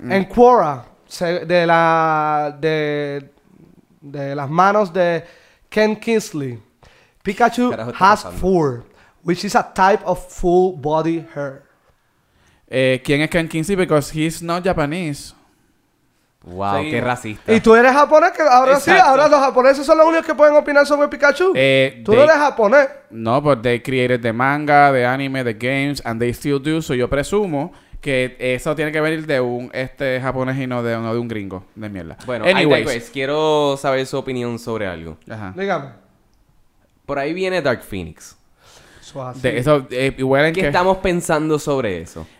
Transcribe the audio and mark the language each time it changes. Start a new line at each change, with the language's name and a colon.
Spanish: En Quora, de las manos de Ken Kingsley,
English: Pikachu has fur, which is a type of full body hair.
Spanish: ¿Quién es Ken Kingsley?
English: Because he's not Japanese.
Spanish: Wow, sí. Qué racista. ¿Y tú eres japonés? Que ahora exacto. Sí, ahora los japoneses son los únicos que pueden opinar sobre Pikachu. ¿Tú no eres japonés?
English: No, but they created the manga, the anime, the games, and they still do.
Spanish: So yo presumo que eso tiene que venir de un japonés y no de un gringo de mierda. Bueno,
English: anyways. Anyways,
Spanish: quiero saber su opinión sobre algo. Ajá. Dígame. Por ahí viene Dark Phoenix. ¿Qué estamos pensando sobre eso?